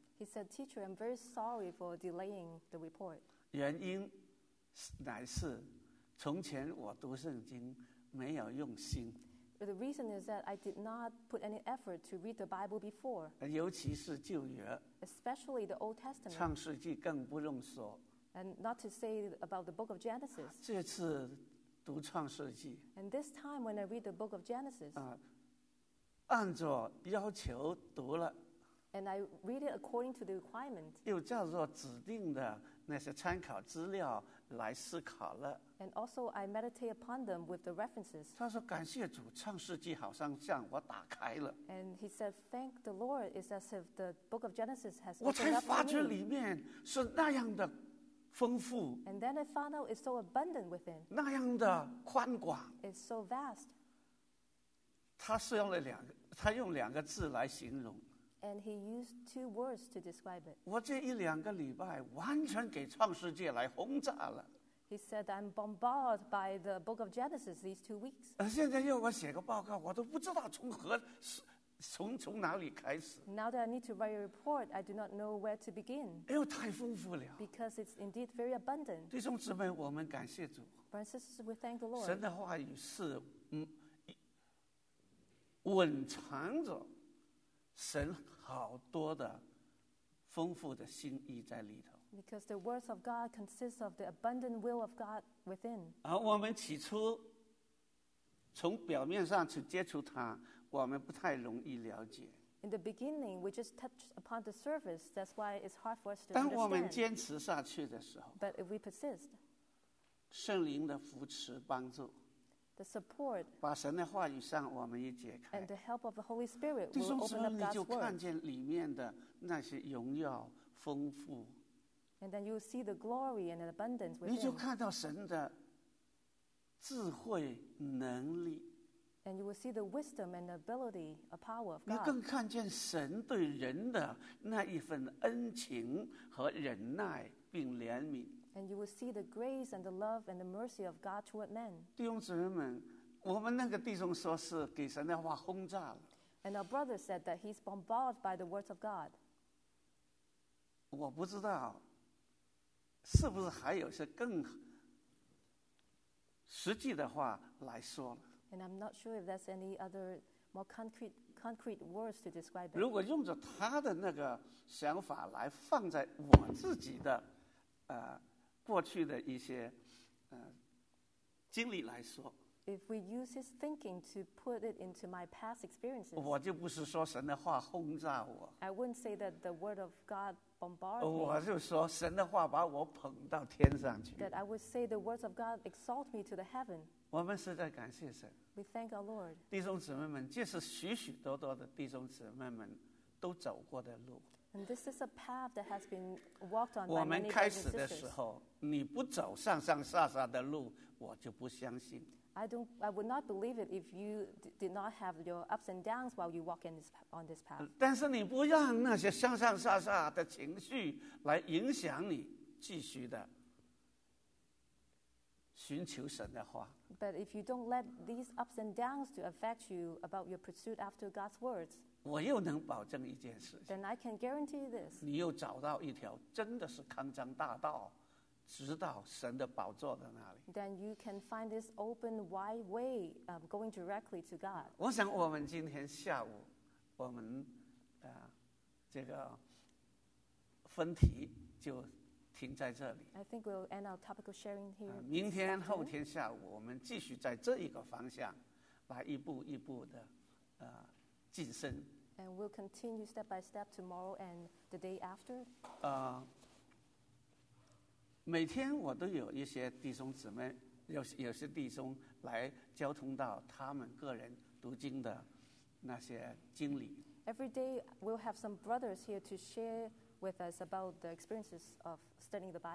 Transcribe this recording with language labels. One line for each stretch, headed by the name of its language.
English: He said, teacher, I'm very sorry for delaying the report.
Chinese: 原因乃是从前我读圣经没有用心。
English: But the reason is that I did not put any effort to read the Bible before.
Chinese: 尤其是旧约。
English: Especially the Old Testament.
Chinese: 创世纪更不用说。
English: And not to say about the book of Genesis.
Chinese: 这次读创世纪。
English: And this time when I read the book of Genesis.
Chinese: 按照要求读了。
English: And I read it according to the requirement.
Chinese: 又叫做指定的那些参考资料来思考了。
English: And also, I meditate upon them with the references.
Chinese: 他说感谢主，创世纪好像向我打开了。
English: And he said, thank the Lord, it's as if the book of Genesis has opened up for me.
Chinese: 我才发觉里面是那样的丰富。
English: And then I found out it's so abundant within.
Chinese: 那样的宽广。
English: It's so vast.
Chinese: 他是用了两个，他用两个字来形容。
English: And he used two words to describe it.
Chinese: 我这一两个礼拜完全给创世纪来轰炸了。
English: He said, I'm bombarded by the book of Genesis these 2 weeks.
Chinese: 现在要我写个报告，我都不知道从哪里开始。
English: Now that I need to write a report, I do not know where to begin.
Chinese: 哎呦，太丰富了。
English: Because it's indeed very abundant.
Chinese: 弟兄姊妹，我们感谢主。
English: Brothers, we thank the Lord.
Chinese: 神的话语是隐藏着神好多的丰富的心意在里头。
English: Because the words of God consist of the abundant will of God within.
Chinese: 我们起初从表面上去接触它，我们不太容易了解。
English: In the beginning, we just touched upon the surface. That's why it's hard for us to understand.
Chinese: 当我们坚持下去的时候，
English: but if we persist,
Chinese: 圣灵的扶持帮助，
English: the support,
Chinese: 把神的话语向我们一解开，
English: and the help of the Holy Spirit will open up God's word.
Chinese: 弟兄姊妹，你就看见里面的那些荣耀丰富。
English: And then you will see the glory and the abundance within.
Chinese: 你就看到神的智慧能力。
English: And you will see the wisdom and the ability, a power of God.
Chinese: 你更看见神对人的那一份恩情和忍耐并怜悯。
English: And you will see the grace and the love and the mercy of God toward men.
Chinese: 弟兄姊妹们，我们那个弟兄说是给神的话轰炸了。
English: And our brother said that he's bombarded by the words of God.
Chinese: 我不知道是不是还有些更实际的话来说。
English: And I'm not sure if there's any other more concrete words to describe it.
Chinese: 如果用着他的那个想法来放在我自己的过去的一些经历来说。
English: If we use his thinking to put it into my past experiences,
Chinese: 我就不是说神的话轰炸我。
English: I wouldn't say that the word of God bombarded me.
Chinese: 我就说神的话把我捧到天上去。
English: That I would say the words of God exalt me to the heaven.
Chinese: 我们实在感谢神。
English: We thank our Lord.
Chinese: 弟兄姊妹们，这是许许多多的弟兄姊妹们都走过的路。
English: And this is a path that has been walked on.
Chinese: 我们开始的时候，你不走上上下下的路，我就不相信。
English: I would not believe it if you did not have your ups and downs while you walk on this path.
Chinese: 但是你不让那些上上下下的情绪来影响你继续的寻求神的话。
English: But if you don't let these ups and downs to affect you about your pursuit after God's words,
Chinese: 我又能保证一件事。
English: Then I can guarantee this.
Chinese: 你又找到一条真的是康庄大道。直到神的宝座在那里。
English: Then you can find this open, wide way of going directly to God.
Chinese: 我想我们今天下午，我们这个分题就停在这里。
English: I think we'll end our topical sharing here.
Chinese: 明天、后天下午，我们继续在这一个方向来一步一步的晋升。
English: And we'll continue step by step tomorrow and the day after.
Chinese: 每天我都有一些弟兄姊妹 有些弟兄来交通到他们个人读经的那些经历。
English: Every day we'll have some brothers here to share with us about the experiences of studying the Bible.